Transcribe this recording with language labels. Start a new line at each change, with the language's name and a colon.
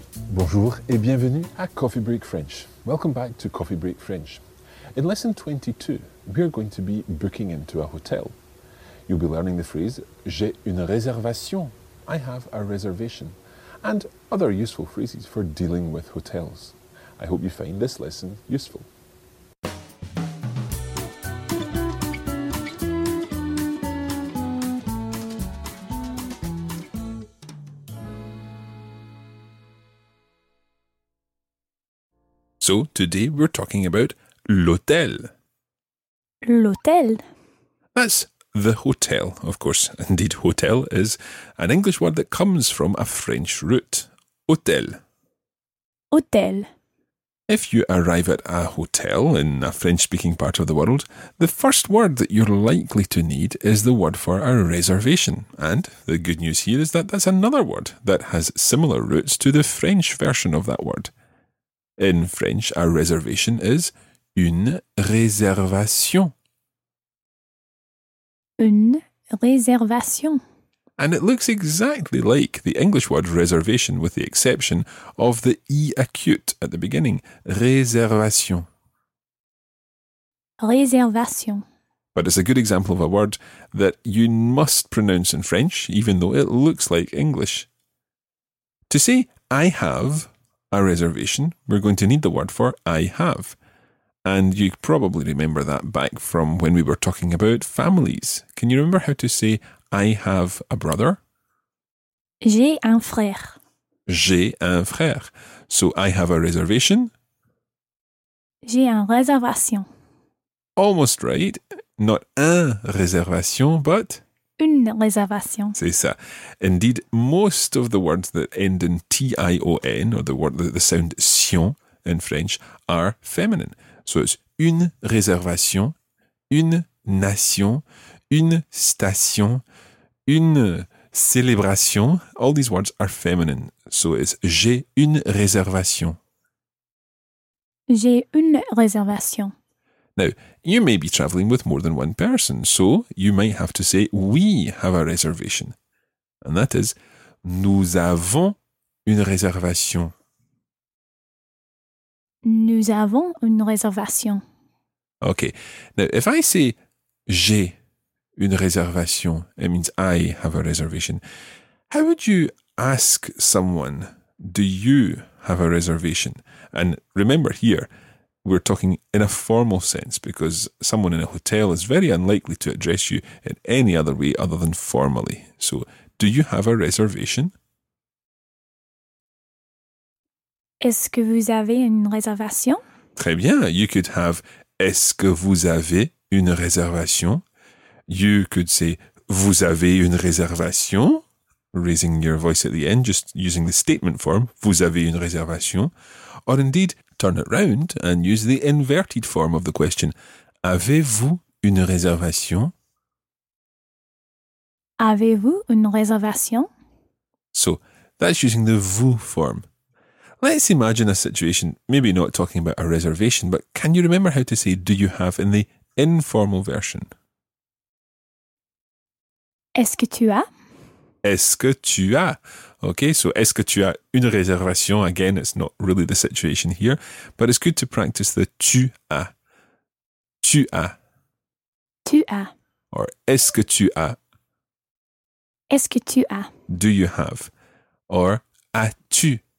French: Bonjour et bienvenue à Coffee Break French.
English: Welcome back to Coffee Break French. In lesson 22, we are going to be booking into a hotel. You'll be learning the phrase,
French: j'ai une réservation,
English: I have a reservation, and other useful phrases for dealing with hotels. I hope you find this lesson useful. So today we're talking about l'hôtel.
French: L'hôtel?
English: That's the hotel, of course. Indeed, hotel is an English word that comes from a French root.
French: Hôtel. Hôtel.
English: If you arrive at a hotel in a French-speaking part of the world, the first word that you're likely to need is the word for a reservation. And the good news here is that that's another word that has similar roots to the French version of that word. In French, a reservation is
French: une réservation. Une réservation.
English: And it looks exactly like the English word reservation with the exception of the E acute at the beginning.
French: Réservation. Réservation.
English: But it's a good example of a word that you must pronounce in French, even though it looks like English. To say, I have a reservation, we're going to need the word for I have. And you probably remember that back from when we were talking about families. Can you remember how to say I have a brother?
French: J'ai un frère. J'ai un frère.
English: So I have a reservation.
French: J'ai une réservation.
English: Almost right. Not
French: un réservation,
English: but
French: une réservation. C'est ça.
English: Indeed, most of the words that end in T-I-O-N, or the word, the sound sion in French, are feminine. So it's
French: une réservation, une nation, une station, une célébration.
English: All these words are feminine. So it's
French: j'ai une réservation. J'ai une réservation.
English: Now, you may be travelling with more than one person, so you might have to say we have a reservation. And that is
French: nous avons une réservation. Nous avons une réservation.
English: Okay. Now, if I say
French: j'ai une réservation,
English: it means I have a reservation. How would you ask someone, do you have a reservation? And remember here, we're talking in a formal sense because someone in a hotel is very unlikely to address you in any other way other than formally. So, do you have a reservation?
French: Est-ce que vous avez une réservation? Très bien.
English: You could have,
French: est-ce que vous avez une réservation?
English: You could say,
French: vous avez une réservation?
English: Raising your voice at the end, just using the statement form,
French: vous avez une réservation?
English: Or indeed, turn it round and use the inverted form of the question,
French: avez-vous une réservation? Avez-vous une réservation?
English: So, that's using the vous form. Let's imagine a situation, maybe not talking about a reservation, but can you remember how to say do you have in the informal version?
French: Est-ce que tu as? Est-ce que tu as?
English: Okay, so
French: est-ce que tu as une réservation?
English: Again, it's not really the situation here, but it's good to practice the tu as.
French: Tu as. Tu as. Or est-ce que tu as? Est-ce que tu as?
English: Do you have? Or as-tu?